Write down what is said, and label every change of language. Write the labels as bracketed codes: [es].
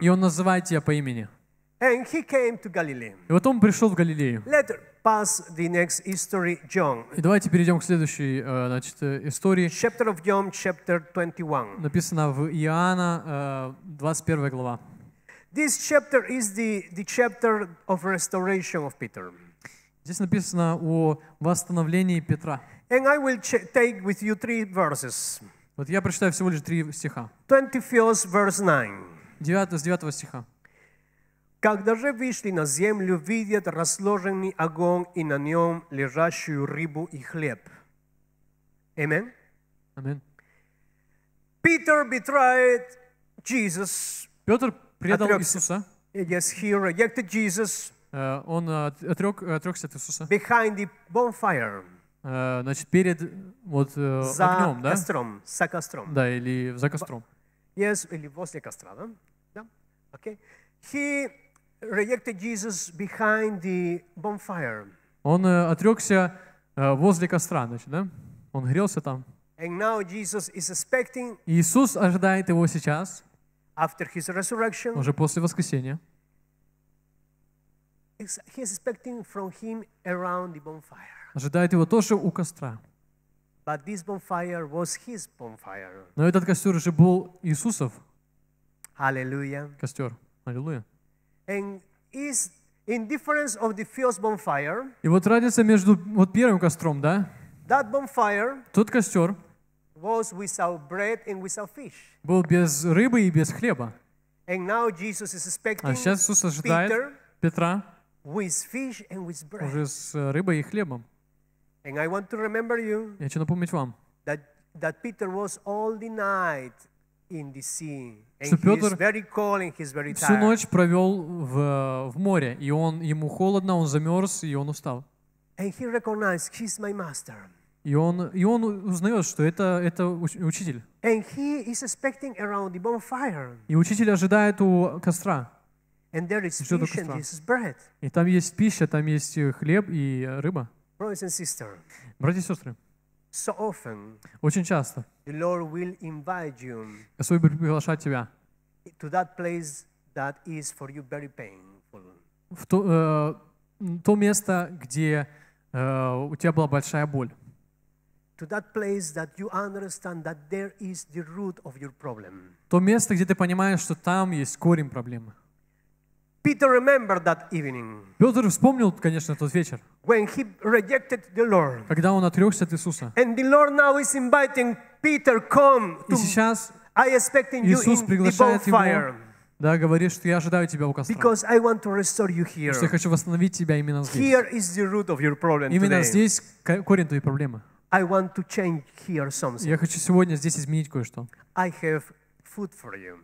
[ru] И он называет тебя по имени. [en] And he came to Galilee. [ru] И вот он пришел в Галилею. [en] Let's pass the next history, John. [ru] И давайте перейдем к следующей, значит, истории. [en] Chapter of John, chapter 21. [ru] Написано в Иоанна, 21 глава. [en] This chapter is the chapter of restoration of Peter. [ru] Здесь написано о восстановлении Петра. [en] And I will take with you three verses. [ru] Вот я прочитаю всего лишь три стиха. [en] 21 verse 9. [ru] 9 с 9 стиха. Когда же вышли на землю, видят разложенный огонь и на нем лежащую рыбу и хлеб. Amen. Amen. [en] Peter betrayed Jesus. [ru] Петр предал Иисуса. [en] Yes, he rejected Jesus. [ru] Он отрекся от Иисуса. [en] Behind the bonfire. [ru] Значит, перед вот огнем, да? За костром. За костром. Да, или за костром. [en] Yes, [ru] или возле костра, да? Да. [en] Okay. He rejected Jesus behind the bonfire. [ru] Он отрекся возле костра, значит, да? Он грелся там. [en] And now Jesus is expecting. [ru] Иисус ожидает его сейчас. [en] After his resurrection. [ru] Уже после воскресения. [en] He is expecting from him around the bonfire. [ru] Ожидает его тоже у костра. [en] But this bonfire was his bonfire. [ru] Но этот костер уже был Иисусов. Hallelujah. Костер. Hallelujah. [en] And is in difference of the first bonfire. [ru] И вот разница между вот первым костром, да? [en] That bonfire. [ru] Тот костер. [en] Was without bread and without fish. [ru] Был без рыбы и без хлеба. [en] And now Jesus is expecting. [ru] А сейчас Иисус ожидает [en] Peter, [ru] Петра. [en] With fish and with bread. [ru] Уже с рыбой и хлебом. [en] And I want to remember you. [ru] Я хочу напомнить вам. [en] That Peter was all the night in the sea. [ru] Что Петр всю ночь провел в море, и он, ему холодно, он замерз, и он устал. [en] And he recognized, he's my master. [ru] И он узнает, что это учитель. [en] And he is expecting around the bonfire. [ru] И учитель ожидает у костра. [en] And there is fish and this is bread. [ru] И там есть пища, там есть хлеб и рыба. [en] Brothers and sisters. [ru] Братья и сестры. [en] So often. [ru] Очень часто. [en] The Lord will invite you. [ru] Господь будет приглашать тебя. [en] To that place that is for you very painful. [ru] В то, то место, где у тебя была большая боль. [en] To that place that you understand that there is the root of your problem. [ru] То место, где ты понимаешь, что там есть корень проблемы. [en] Peter remembered that evening. [ru] Петр вспомнил, конечно, тот вечер. [en] When he rejected the Lord. [ru] Когда он отрекся от Иисуса. [en] And the Lord now is inviting Peter, come. [ru] И сейчас [en] I expecting [ru] Иисус [en] you [ru] приглашает [en] the fire. [ru] Его, да, говорит, что я ожидаю тебя у костра. [en] Because I want to restore you here. [ru] Потому что я хочу восстановить тебя именно здесь. [en] Here is the root of your problem [ru] именно [en] today. [ru] Здесь корень твоей проблемы. [en] I want to change here something. [ru] Я хочу сегодня здесь изменить кое-что. [en] I have food for you.